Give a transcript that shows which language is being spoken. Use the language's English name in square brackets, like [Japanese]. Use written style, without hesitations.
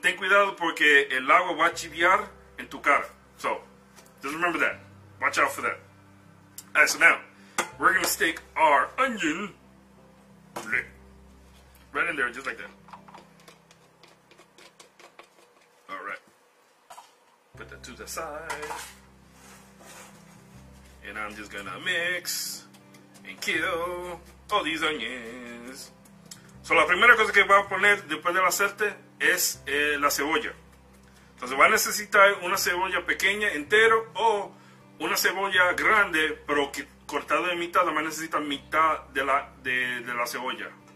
[Spanish] Ten cuidado porque el agua va a chiviar en tu cara. [English] So, just remember that. Watch out for that. Alright, so now, we're going to stick our onion right in there, just like that. Put that to the side. And I'm just gonna mix and kill all these onions. [Spanish] So la primera cosa que voy a poner después del aceite es la cebolla. Entonces va a necesitar una cebolla pequeña entero o una cebolla grande pero que cortada en mitad, además necesita mitad de la cebolla.